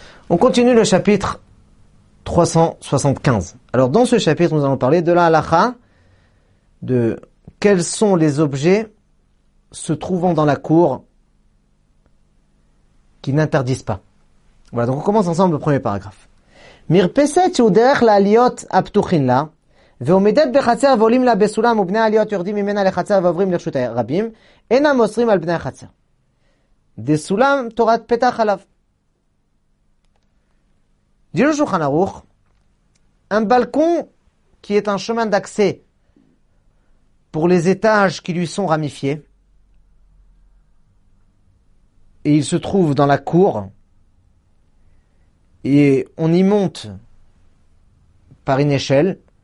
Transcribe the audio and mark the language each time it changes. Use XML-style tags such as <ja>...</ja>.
<fr>On continue le chapitre 375. Alors dans ce chapitre, nous allons parler de la halakha, de quels sont les objets se trouvant dans la cour qui n'interdisent pas. Voilà, donc on commence ensemble le premier paragraphe.</fr> <he>מרפסת שהוא דרך לעליות הפתוחים לה, ועומדת בחצר ועולים לה בסולם, ובני העליות יורדים ממנה לחצר ועוברים לרשות הרבים, אינם מוסרים על בני החצר. דה סולם תורת פתח עליו. דירו שולחן ארוך,</he> <fr>un balcon qui est un chemin d'accès pour les étages qui lui sont ramifiés, et il se trouve dans la cour, et on y monte par une échelle.</fr>